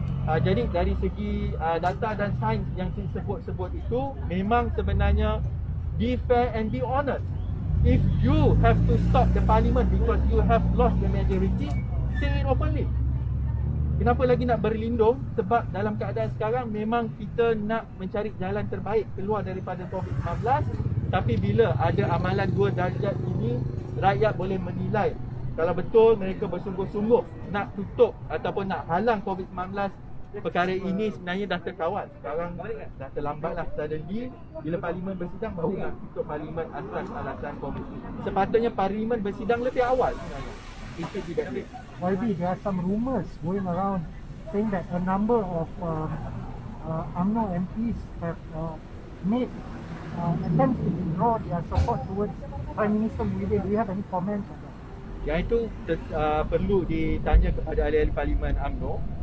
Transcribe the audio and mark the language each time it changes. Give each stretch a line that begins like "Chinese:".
Malay: Jadi dari segi data dan sains yang disebut-sebut itu, memang sebenarnya
English: be fair and be honest. If you have to stop the parliament because you have lost the majority, say it openly.
Malay: Kenapa lagi nak berlindung? Sebab dalam keadaan sekarang memang kita nak mencari jalan terbaik keluar daripada COVID-19. Tapi bila ada amalan dua darjat ini, rakyat boleh menilai kalau betul mereka bersungguh-sungguh nak tutup ataupun nak halang COVID-19. Perkara ini sebenarnya dah terkawal. Sekarang dah terlambatlah suddenly. Bila parlimen bersidang, baru nak tutup parlimen atas alasan COVID. Sepatutnya parlimen bersidang lebih awal. Itu tidak boleh.
English: YB, there are some rumours going around saying that a number of UMNO MPs have made attempts to withdraw their support towards Prime Minister Muhyiddin. Do you have any comment on that?
Malay: Yang itu perlu ditanya kepada ahli-ahli Parlimen UMNO.